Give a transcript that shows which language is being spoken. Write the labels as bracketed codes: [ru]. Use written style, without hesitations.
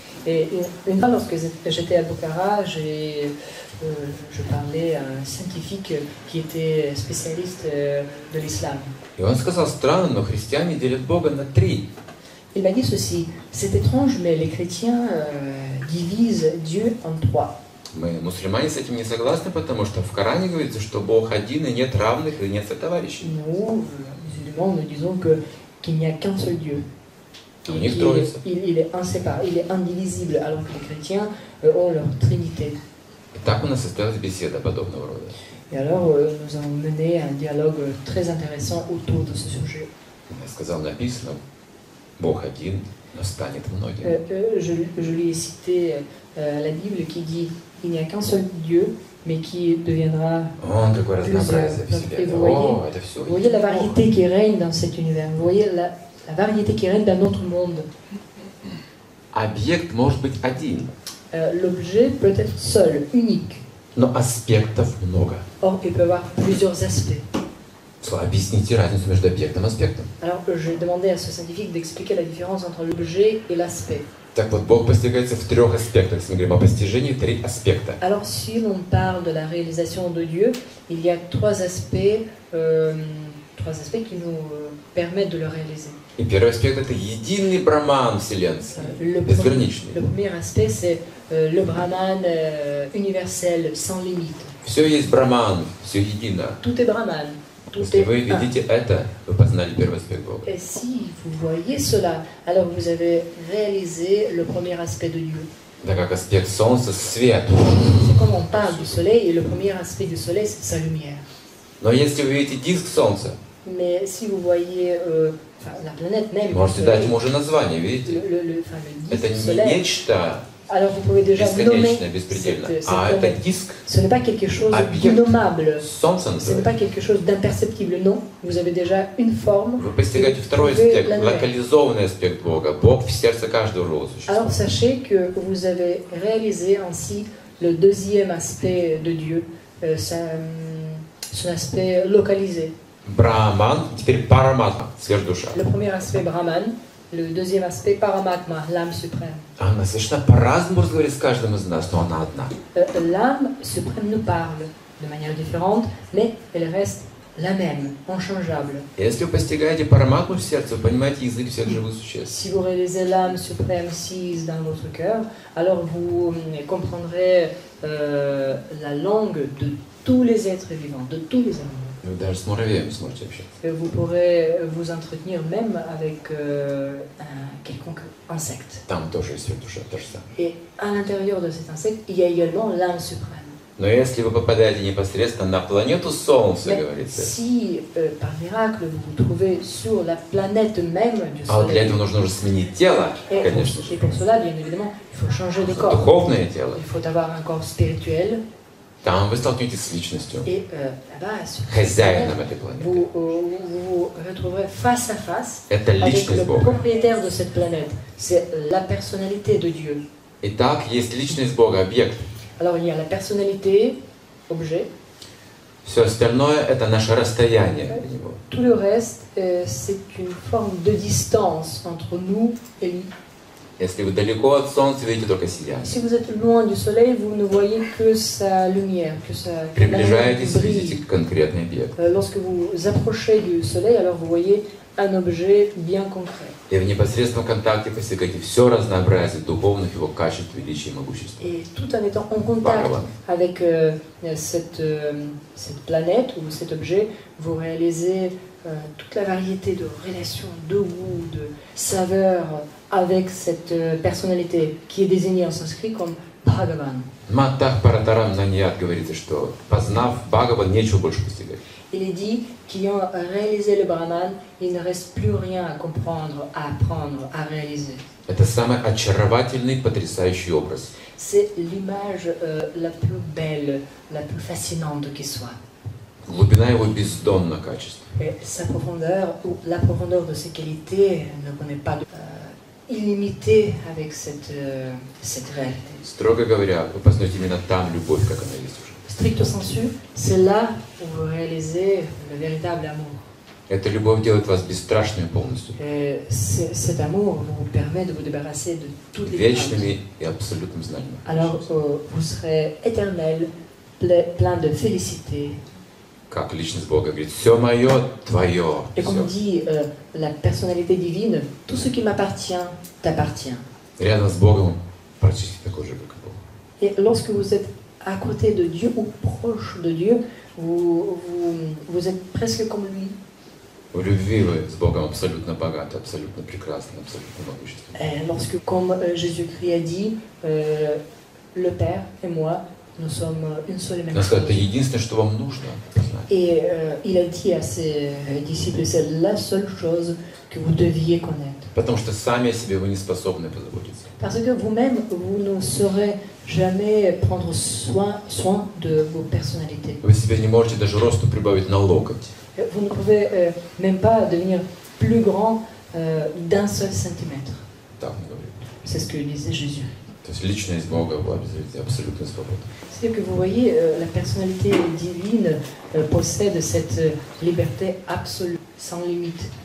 [fr] Et une fois, lorsque j'étais à Bukhara, je parlais à un scientifique qui était spécialiste de l'islam. Et [ru] он сказал, странно, но христиане делят Бога на три. [fr] Il m'a dit ceci, c'est étrange, mais les chrétiens divisent Dieu en trois. [ru] Мы, мусульмане, с этим не согласны, потому что в Коране говорится, что Бог один, и нет равных, и нет сотоварищей. [fr] Nous, [ru] мусульмане, [fr] nous disons que, qu'il n'y a qu'un seul Dieu. Il est inséparable, il est indivisible, alors que les chrétiens ont leur trinité. [ru] Так у нас состоялась беседа подобного рода. И [fr] alors, nous avons mené un dialogue très intéressant autour de ce sujet. [ru] Я сказал, написано, Бог один, но станет многим. [fr] Je lui ai cité la Bible qui dit, il n'y a qu'un seul Dieu, mais qui deviendra [ru] он такой разнообразный в себе. [fr] Et vous voyez la variété qui règne dans cet univers. Vous voyez la variété qui règne dans notre monde. [ru] Объект может быть один. [fr] L'objet peut être seul, unique. [ru] Но аспектов много. [fr] Or, il peut avoir plusieurs aspects. [ru] Объясните разницу между объектом и аспектом. [fr] Alors, j'ai demandé à ce scientifique d'expliquer la différence entre l'objet et l'aspect. [ru] Так вот, Бог постигается в трех аспектах. Если мы говорим о постижении, три аспекта. [fr] Alors, si l'on parle de la réalisation de Dieu, il y a trois aspects qui nous permettent de le réaliser. [ru] И первый аспект – это единый Браман вселенский, безграничный. [fr] Le premier aspect, c'est le Brahman universel, sans limite. [ru] Все есть Браман, все едино. [fr] Tout est Brahman. [ru] Если вы видите это, вы познали первый аспект Бога. [fr] Et si vous voyez cela, alors vous avez réalisé le premier aspect de Dieu. [ru] Да, как аспект солнца, свет. [fr] C'est comme on parle du soleil, et le premier aspect du soleil, c'est sa lumière. [ru] Но если вы видите диск солнца, [fr] mais si vous voyez la planète même, [ru] можете дать ему уже название, видите? Это не нечто. [fr] Alors vous pouvez déjà nommer cette disc. Ce n'est pas quelque chose d'innommable. Ce n'est pas quelque chose d'imperceptible. Non, vous avez déjà une forme. [ru] Вы постигаете второй аспект, локализованный аспект Бога. Бог в сердце каждого живого существа. [fr] Alors sachez que vous avez réalisé ainsi le deuxième aspect de Dieu, son aspect localisé. [ru] Brahman, теперь Paramatma, сверхдуша. [fr] Le premier aspect Brahman. Le deuxième aspect Paramatma, l'âme suprême. [ru] Она совершенно по-разному разговаривает с каждым из нас, но она одна. [fr] L'âme suprême nous parle de manière différente, mais elle reste la même, inchangeable. [ru] Если вы постигаете Параматму в сердце, вы понимаете язык всех живых существ. [fr] Si vous réalisez l'âme suprême sise dans votre cœur, alors vous comprendrez la langue de tous les êtres vivants, de tous les animaux. [ru] Вы даже с муравьем сможете общаться. [fr] Vous pourrez vous entretenir même avec un quelconque insecte. [ru] Там тоже есть душа, то же самое. [fr] Et à l'intérieur de cet insecte, il y a également l'âme suprême. [ru] Но если вы попадаете непосредственно на планету Солнце, говорится. [fr] Si par miracle vous vous trouvez sur la planète même du Soleil. [ru] А для этого нужно уже сменить тело, конечно. [fr] Et pour cela, bien évidemment, il faut changer de corps. [ru] Духовное тело. [fr] Il faut avoir un corps spirituel. [ru] Там вы столкнетесь с личностью, [fr] et, là-bas, [ru] хозяином этой планеты. [fr] Vous retrouverez face à face [ru] это личность Бога. [fr] Propriétaire de cette planète. C'est la personnalité de Dieu. [ru] Итак, есть личность Бога, объект. [fr] Alors, il y a la personnalité, objet. [ru] Все остальное – это наше расстояние. [fr] Tout le reste, c'est une forme de distance entre nous et lui. [ru] Если вы далеко от солнца, вы видите только сияние. [fr] Si vous êtes loin du soleil, vous ne voyez que sa lumière, que sa lumière. [ru] Приближаетесь, видите конкретный объект. [fr] Lorsque vous approchez du soleil, alors vous voyez un objet bien concret. [ru] И в непосредственном контакте постигаете все разнообразие духовных его качеств, величия и могущества. [fr] Et tout en étant en contact avec cette planète ou cet objet, vous réalisez toute la variété de relations, de goûts, de saveurs avec cette personnalité qui est désignée en sanskrit comme Bhagavan. [ru] Матах Паратарам Наньят говорится, что познав Бхагаван, нечего больше постигать. [fr] Il est dit qu'ayant réalisé le Brahman, il ne reste plus rien à comprendre, à apprendre, à réaliser. [ru] Это самый очаровательный, потрясающий образ. [fr] C'est l'image la plus belle, la plus fascinante qui soit. [ru] Глубина его бездонна качества. [fr] Et sa profondeur, ou la profondeur de ses qualités, ne connaît pas de illimité avec cette réalité. [ru] Строго говоря, вы познаете именно там любовь, как она есть уже. [fr] Stricto sensu, c'est là où vous réalisez le véritable amour. [ru] Эта любовь делает вас бесстрашными полностью. [fr] Cet amour vous permet de vous débarrasser de toutes les [ru] вечными [fr] et [ru] абсолютным знанием. [fr] Alors vous serez éternel, plein de félicité. [ru] Как личность Бога говорит, все мое, твое. И как он говорит, [fr] la personnalité divine, tout ce qui m'appartient, t'appartient. [ru] Рядом с Богом практически такой же, как и Бог. [fr] Et lorsque vous êtes à côté de Dieu ou proche de Dieu, vous êtes presque comme lui. [ru] В любви вы с Богом абсолютно богаты, абсолютно прекрасны, абсолютно могущественны. [fr] Lorsque, comme Jésus-Christ a dit, le Père et moi, Nous sommes une seule et même chose. Parce que c'est [ru] единственное, что вам нужно. [fr] Et il a dit à ses disciples, c'est la seule chose que vous deviez connaître. [ru] Потому что сами о себе вы не способны позаботиться. [fr] Parce que vous-même, vous ne saurez jamais prendre soin de vos personnalités. [ru] Вы себе не можете даже росту прибавить на локоть. [fr] Vous ne pouvez même pas devenir plus grand d'un seul centimètre. C'est ce que disait Jésus. C'est-à-dire que vous voyez, la personnalité divine possède cette liberté absolue, sans limite.